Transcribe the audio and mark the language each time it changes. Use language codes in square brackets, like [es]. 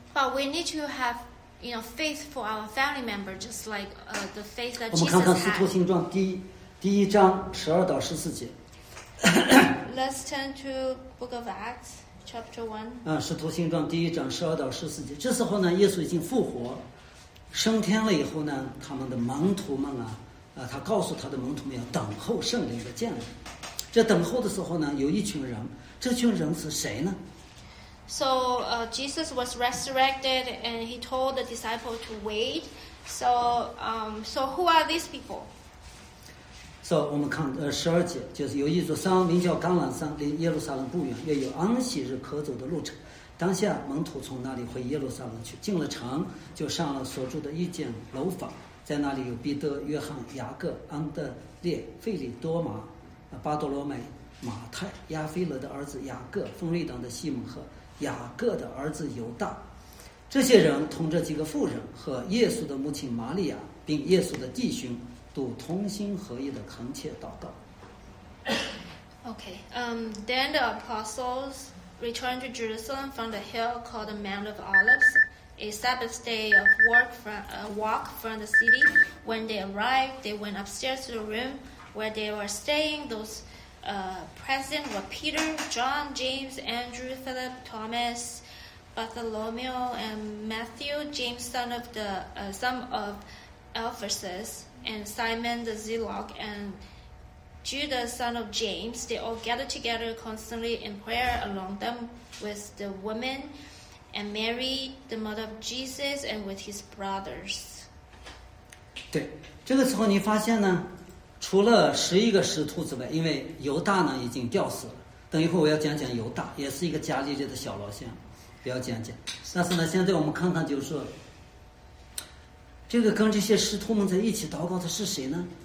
[en] But we need to have, you know, faith for our family member, just like the faith that Jesus [zh] 我们看看《使徒行传》第一章12到14节。 [en] Let's turn to Book of Acts, Chapter 1. [zh] 《使徒行传》第一章12到14节。这时候呢，耶稣已经复活。升天了以后呢，他们的门徒们啊，他告诉他的门徒们要等候圣灵的降临。这等候的时候呢，有一群人，这群人是谁呢？ So Jesus was resurrected, and he told the disciples to wait. So who are these people? 所以我们看十二节，就是有一座山名叫橄榄山，离耶路撒冷不远，约有安息日可走的路程。当下门徒从那里回耶路撒冷去，进了城就上了所住的一间楼房，在那里有彼得、约翰、雅各、安德烈、费里多马、巴多罗美、马太、亚非勒的儿子雅各、丰瑞党的西蒙和雅各的儿子犹大，这些人同着几个妇人和耶稣的母亲玛利亚，并耶稣的弟兄，都同心合意的恳切祷告。 [en] Okay, then the apostles returned to Jerusalem from the hill called the Mount of Olives, a Sabbath day of walk from the city. When they arrived, they went upstairs to the room where they were staying. Those present were Peter, John, James, Andrew, Philip, Thomas. Bartholomew and Matthew, James, son of Alphaeus, and Simon the Zealot, and Judas, son of James. They all gathered together constantly in prayer, along them with the women and Mary, the mother of Jesus, and with his brothers. [zh] 对，这个时候你发现呢，除了十一个使徒之外，因为犹大呢已经吊死了。等一会我要讲讲犹大，也是一个加利利的小老乡。不要讲讲，但是呢，现在我们看看，就是说，这个跟这些师徒们在一起祷告的是谁呢？